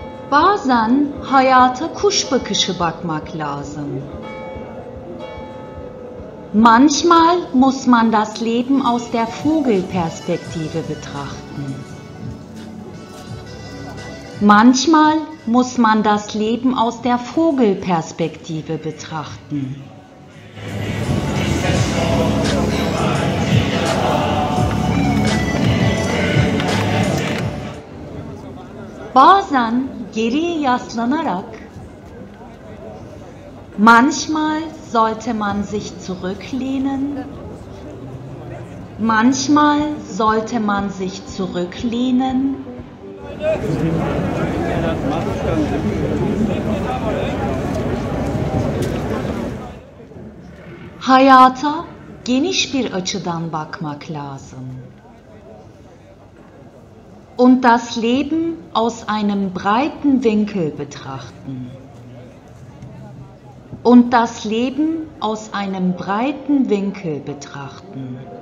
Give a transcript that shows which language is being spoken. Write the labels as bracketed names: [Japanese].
[Turkish] Bazen hayata kuş bakışı bakmak lazım. [German] Manchmal muss man das Leben aus der Vogelperspektive betrachten. Manchmal muss man das Leben aus der Vogelperspektive betrachten. [Turkish] Bazen geriye yaslanarak, [German] manchmal sollte man sich zurücklehnen. Manchmal sollte man sich zurücklehnen. [Turkish] Hayata geniş bir açıdan bakmak lazım. [German] Und das Leben aus einem breiten Winkel betrachten. Und das Leben aus einem breiten Winkel betrachten.